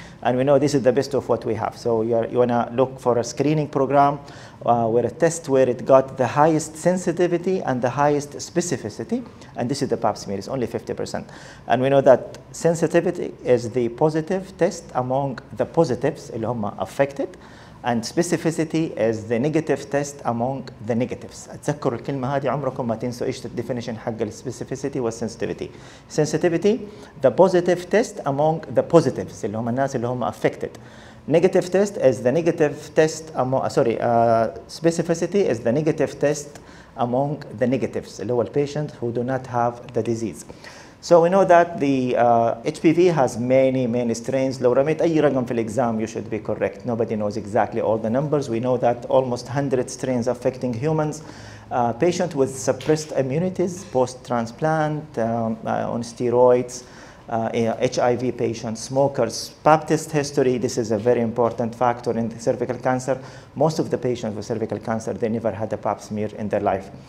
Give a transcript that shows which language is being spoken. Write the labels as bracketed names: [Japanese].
[English] And we know this is the best of what we have. So you want to look for a screening program where a test where it got the highest sensitivity and the highest specificity. And this is the pap smear, it's only 50%. And we know that sensitivity is the positive test among the positives, [Arabic] اللهم [English] affected. And specificity is the negative test among the negatives. [Arabic] اتذكروا الكلمة هذه عمركم ما تنسوا ايش الديفينيشن حق specificity والsensitivity. [English] Sensitivity, the positive test among the positives, [Arabic] اللي هم الناس اللي هم [English] affected. Negative test is the negative test among, specificity is the negative test among the negatives, [Arabic] اللي هو [English] patients who do not have the disease. So we know that the HPV has many, many strains. [Arabic] لو رميت أي رقم في الإكزام, [English] you should be correct. Nobody knows exactly all the numbers. We know that almost 100 strains affecting humans. Patient with suppressed immunities, post-transplant, on steroids, HIV patients, smokers, pap test history, this is a very important factor in the cervical cancer. Most of the patients with cervical cancer, they never had a pap smear in their life.